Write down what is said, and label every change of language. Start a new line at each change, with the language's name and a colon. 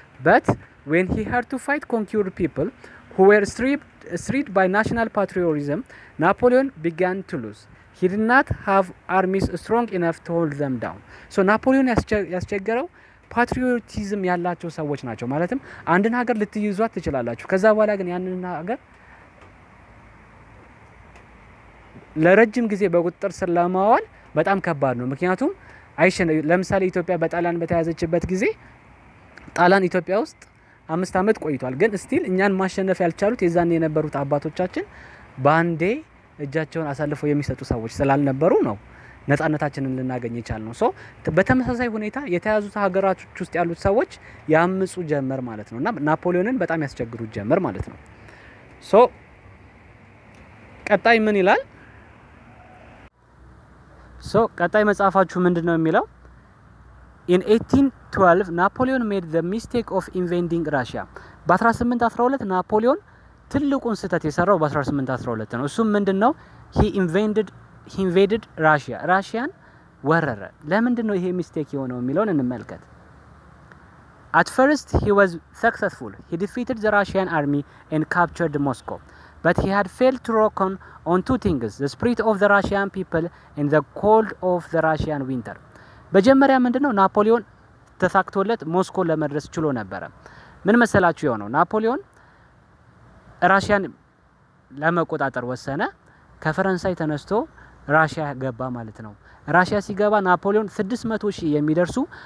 English: But when he had to fight conquered people who were stripped by national patriotism, Napoleon began to lose. He did not have armies strong enough to hold them down.
Amharic: So Napoleon ያስቸገረው patriotism ያላቸው ሰዎች ናቸው። ማለትም አንድን ሀገር ልትይዟት ትችላላችሁ፣ ከዛ በኋላ ግን ያንን ሀገር ለረጅም ጊዜ በቁጥጥር ስር ለማዋል በጣም ከባድ ነው። ምክንያቱም አይሽን ለምሳሌ ኢትዮጵያ በጣሊያን በተያዘችበት ጊዜ ጣሊያን ኢትዮጵያ ውስጥ 5 አመት ቆይቷል። ግን ስቲል እኛን ማሸነፍ ያልቻሉት የዛን የነበሩት አባቶቻችን ባንዴ እጃቸውን አሳልፈው የሚሰጡ ሰዎች ስላልነበሩ ነው ነጻነታችንን ልናገኝ ይቻልነው። ሶ በተመሳሳይ ሁኔታ የተያዙት ሀገራቶች ውስጥ ያሉት ሰዎች ያምጹ ጀመር ማለት ነውና ናፖሊዮንን በጣም ያስቸግሩ ጀመር ማለት ነው። ሶ ቀጣይ ምን ይላል? So, ቀጣይ መጻፋችሁ ምንድነው የሚለው?
English: In 1812, Napoleon made the mistake of invading Russia.
Amharic: በ1812 ናፖሊዮን ትልቁን ስህተት የሰራው በ1812 ነው። እሱ ምንድነው?
English: he invaded Russia.
Amharic: Russian ወረረ ለምንድነው ይሄ ሚስቴክ የሆነው የሚለውን እንመልከት
English: At first he was successful. He defeated the Russian army and captured Moscow. But he had failed to reckon on two things: the spirit of the Russian people and the cold of the Russian winter.
Amharic: በጀመሪያ ምንድነው ናፖሊዮን ተሳክቶለት ሞስኮ ለመድረስ ችሎ ነበር። ምን መሰላችሁ የሆነው ናፖሊዮን ራሽያን ለመቆጣጠር ወሰነ ከፈረንሳይ ተነስተው ራሽያ ገባ ማለት ነው። ራሽያ ሲገባ ናፖሊዮን 600 ሺህ የሚደርሱ